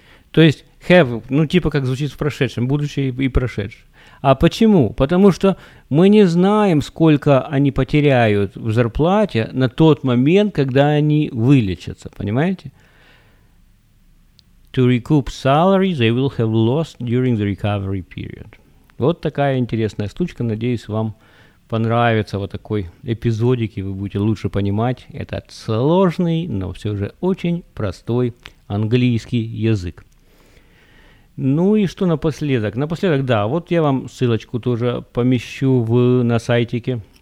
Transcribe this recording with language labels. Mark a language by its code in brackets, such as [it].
[ru] То есть have, ну типа как звучит в прошедшем, будущее и прошедшее. А почему? Потому что мы не знаем, сколько они потеряют в зарплате на тот момент, когда они вылечатся, понимаете? [en] To recoup salaries they will have lost during the recovery period. [ru] Вот такая интересная штучка. Надеюсь, вам понравится вот такой эпизодик, и вы будете лучше понимать этот сложный, но все же очень простой английский язык. Ну и что напоследок? Напоследок, да, вот я вам ссылочку тоже помещу на сайтике.